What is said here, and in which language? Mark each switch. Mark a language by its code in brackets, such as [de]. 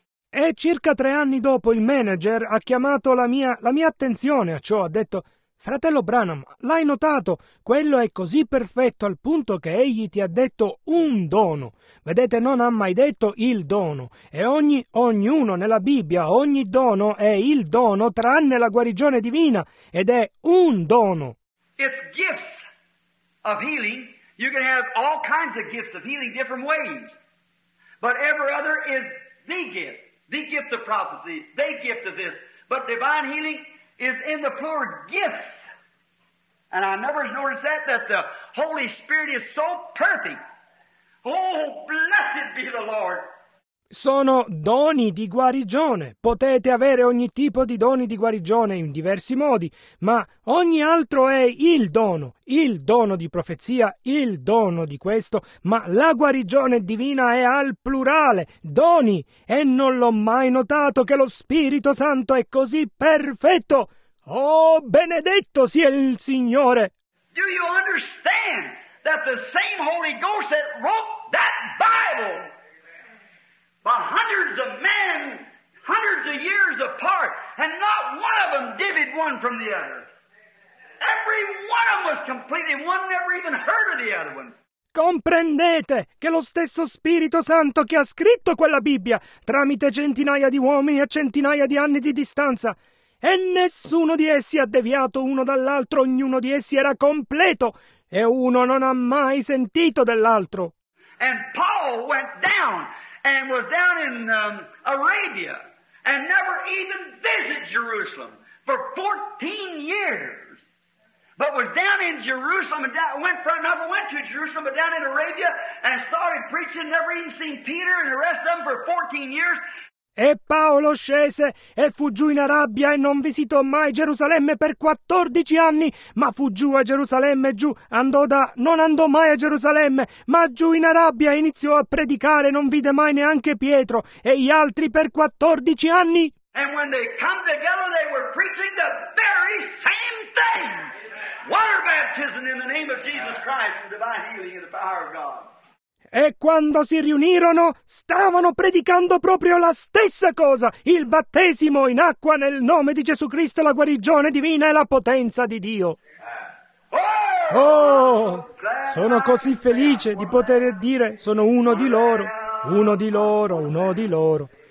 [it] E circa 3 anni dopo, il manager ha chiamato la mia attenzione a ciò, ha detto... Fratello Branham, l'hai notato? Quello è così perfetto al punto che egli ti ha detto un dono. Vedete, non ha mai detto il dono. E ognuno nella Bibbia, ogni dono è il dono, tranne la guarigione divina. Ed è un dono. [en] It's gifts of healing. You can have all kinds of gifts of healing, different ways. But every other is the gift of prophecy, the gift of this. But divine healing... is in the plural gifts. And I never noticed that the Holy Spirit is so perfect. Oh, blessed be the Lord! [it] Sono doni di guarigione. Potete avere ogni tipo di doni di guarigione in diversi modi, ma ogni altro è il dono di profezia, il dono di questo, ma la guarigione divina è al plurale, doni, e non l'ho mai notato che lo Spirito Santo è così perfetto. Oh, benedetto sia il Signore! [en] Do you understand that the same Holy Ghost that wrote that Bible... by hundreds of men, hundreds of years apart, and not one of them divvied one from the other. Every one of them was completely, one never even heard of the other one. [it] Comprendete che lo stesso Spirito Santo che ha scritto quella Bibbia tramite centinaia di uomini a centinaia di anni di distanza, e nessuno di essi ha deviato uno dall'altro, ognuno di essi era completo, e uno non ha mai sentito dell'altro. [en] And Paul went down... and was down in Arabia and never even visited Jerusalem for 14 years. But was down in Jerusalem and never went to Jerusalem, but down in Arabia and started preaching, never even seen Peter and the rest of them for 14 years. [it] E Paolo scese e fu giù in Arabia e non visitò mai Gerusalemme per 14 anni, ma fu giù a Gerusalemme, giù, non andò mai a Gerusalemme, ma giù in Arabia iniziò a predicare, non vide mai neanche Pietro e gli altri per 14 anni. [en] And when they come together they were preaching the very same thing. Water baptism in the name of Jesus Christ and divine healing in the power of God. [it] E quando si riunirono, stavano predicando proprio la stessa cosa, il battesimo in acqua nel nome di Gesù Cristo, la guarigione divina e la potenza di Dio. Oh, sono così felice di poter dire, sono uno di loro, uno di loro, uno di loro.